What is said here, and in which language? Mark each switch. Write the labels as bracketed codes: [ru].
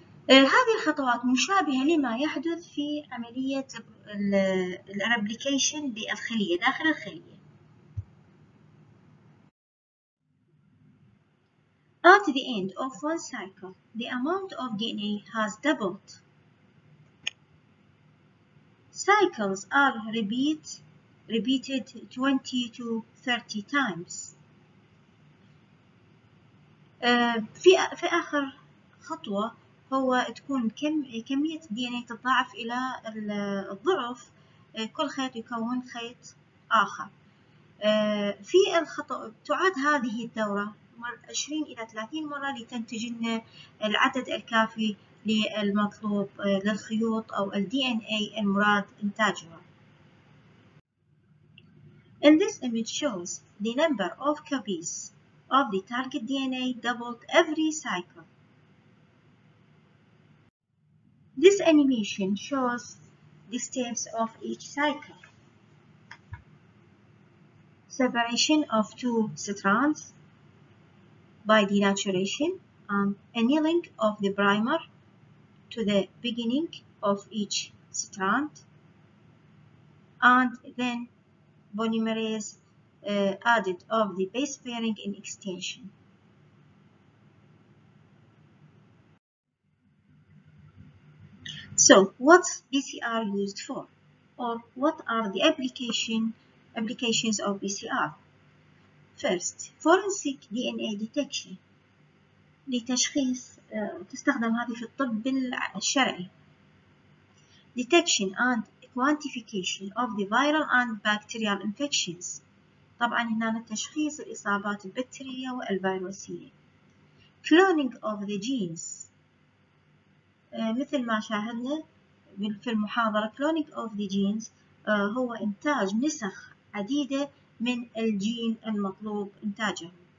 [ar] هذه الخطوات مشابهة لما يحدث في عملية الريبليكيشن بالخلية داخل الخلية. [en] At the end of one cycle, the amount of DNA has doubled. Cycles are repeated 20 to 30 times. [ar] في آخر خطوة هو تكون كمية DNA تضاعف إلى الضعف، كل خيط يكون خيط آخر. في الخطوة تعاد هذه الدورة 20 إلى 30 مرة لتنتج لنا العدد الكافي للمطلوب للخيوط أو الـ DNA المراد إنتاجها. [en] And this image shows the number of copies of the target DNA doubled every cycle. This animation shows the steps of each cycle. Separation of two strands by denaturation and annealing of the primer to the beginning of each strand, and then polymerase added of the base pairing in extension. So what's PCR used for, or what are the applications of PCR? First, forensic DNA detection [ar] لتشخيص تستخدم هذه في الطب الشرعي. [en] Detection and quantification of the viral and bacterial infections. [ar] طبعا هنا تشخيص الإصابات البكتيرية والفيروسية. [en] Cloning of the genes. [ar] مثل ما شاهدنا في المحاضرة [en] cloning of the genes [ar] هو إنتاج نسخ عديدة من الجين المطلوب إنتاجه.